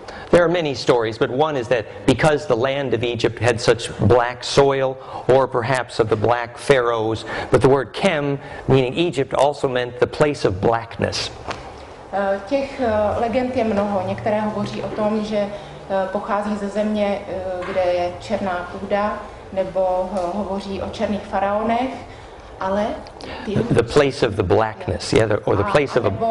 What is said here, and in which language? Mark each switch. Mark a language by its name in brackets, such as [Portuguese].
[English] There are many stories, but one is that because the land of Egypt had such black soil, or perhaps of the black pharaohs, but the word chem, meaning Egypt, also meant the place of blackness. [Czech] Těch legend je mnoho. Některé hovoří o tom, že pochází ze země, kde je černá půda, nebo hovoří o černých faraonech. Ale [English] the place of the blackness, yeah, or the place of a.